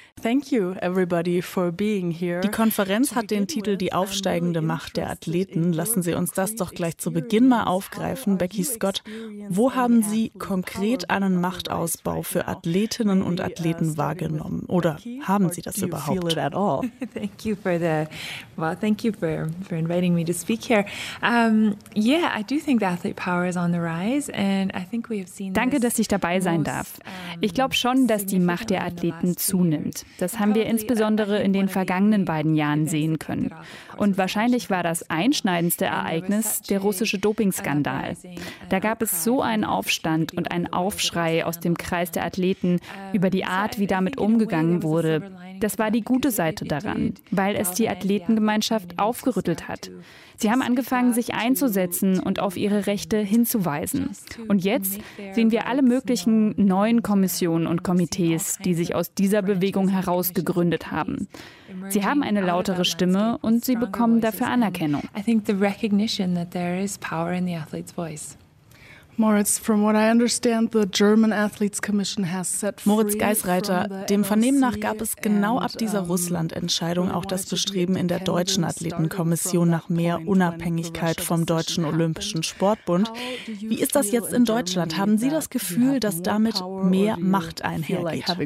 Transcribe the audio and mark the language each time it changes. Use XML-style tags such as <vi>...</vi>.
<en>Thank you, everybody, for being here.</en> <de>Die Konferenz hat den Titel Die aufsteigende Macht der Athleten. Lassen Sie uns das doch gleich zu Beginn mal aufgreifen. Becky Scott, wo haben Sie konkret einen Machtausbau für Athletinnen und Athleten wahrgenommen? Oder haben Sie das überhaupt?</de> <en>Thank you for inviting me to speak here. I do think the athlete power is on the rise, and I think we have seen.</en> <de>Danke, dass ich dabei sein darf. Ich glaube schon, dass die Macht der Athleten zunimmt. Das haben wir insbesondere in den vergangenen beiden Jahren sehen können. Und wahrscheinlich war das einschneidendste Ereignis der russische Dopingskandal. Da gab es so einen Aufstand und einen Aufschrei aus dem Kreis der Athleten über die Art, wie damit umgegangen wurde. Das war die gute Seite daran, weil es die Athletengemeinschaft aufgerüttelt hat. Sie haben angefangen, sich einzusetzen und auf ihre Rechte hinzuweisen. Und jetzt sehen wir alle möglichen neuen Kommissionen und Komitees, die sich aus dieser Bewegung herausgegründet haben. Sie haben eine lautere Stimme und sie bekommen dafür Anerkennung.</de> <en>I think the recognition that there is power in the athlete's voice. Moritz, from what I understand, the German Athletes Commission has set free.</en> <de>Moritz Geisreiter, dem Vernehmen nach gab es genau ab dieser Russland-Entscheidung auch das Bestreben in der deutschen Athletenkommission nach mehr Unabhängigkeit vom Deutschen Olympischen Sportbund. Wie ist das jetzt in Deutschland? Haben Sie das Gefühl, dass damit mehr Macht einhergeht?</de>